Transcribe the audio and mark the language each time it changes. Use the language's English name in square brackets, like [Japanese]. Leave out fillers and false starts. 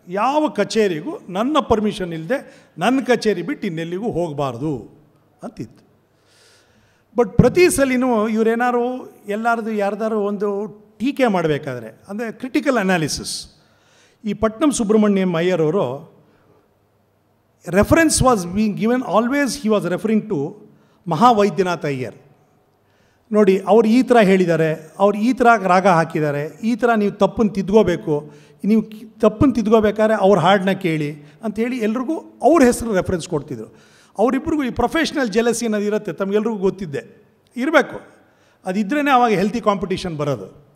[Kannada] ಯಾವ ಕಚೇರಿಗೂ ನನ್ನ ಪರ್ಮಿಷನ್ ಇಲ್ಲದೆ ನನ್ನ ಕಚೇರಿ ಬಿಟ್ಟು ಇನ್ನೆಲ್ಲಿಗೂ ಹೋಗಬಾರ್ದು ಅಂತಿತ್ತು. ಬಟ್ ಪ್ರತಿ ಸಲಿನೂ ಇವರೇನಾದ್ರು ಎಲ್ಲರದು ಯಾರ್ದಾರು ಒಂದು ಟೀಕೆ ಮಾಡಬೇಕಾದ್ರೆ, ಅಂದರೆ ಕ್ರಿಟಿಕಲ್ ಅನಾಲಿಸಿಸ್, ಈ ಪಟ್ನಂ ಸುಬ್ರಹ್ಮಣ್ಯಂ ಅಯ್ಯರ್ ಅವರು [English] reference was being given, always he was referring to Mahavaidyanath Iyer. [Kannada] ನೋಡಿ ಅವ್ರು ಈ ಥರ ಹೇಳಿದ್ದಾರೆ, ಅವ್ರು ಈ ಥರ ರಾಗ ಹಾಕಿದ್ದಾರೆ, ಈ ಥರ ನೀವು ತಪ್ಪನ್ನು ತಿದ್ಕೋಬೇಕು, ನೀವು ತಪ್ಪನ್ನು ತಿದ್ಕೋಬೇಕಾದ್ರೆ ಅವ್ರ ಹಾಡನ್ನ ಕೇಳಿ ಅಂಥೇಳಿ ಎಲ್ರಿಗೂ ಅವ್ರ ಹೆಸರು ರೆಫರೆನ್ಸ್ ಕೊಡ್ತಿದ್ರು. ಅವರಿಬ್ಬರಿಗೂ ಈ ಪ್ರೊಫೆಷ್ನಲ್ ಜೆಲಸಿ ಅನ್ನೋದು ಇರುತ್ತೆ, ತಮಗೆಲ್ರಿಗೂ ಗೊತ್ತಿದ್ದೆ ಇರಬೇಕು, ಅದಿದ್ರೇ ಆವಾಗ ಹೆಲ್ತಿ ಕಾಂಪಿಟೀಷನ್ ಬರೋದು.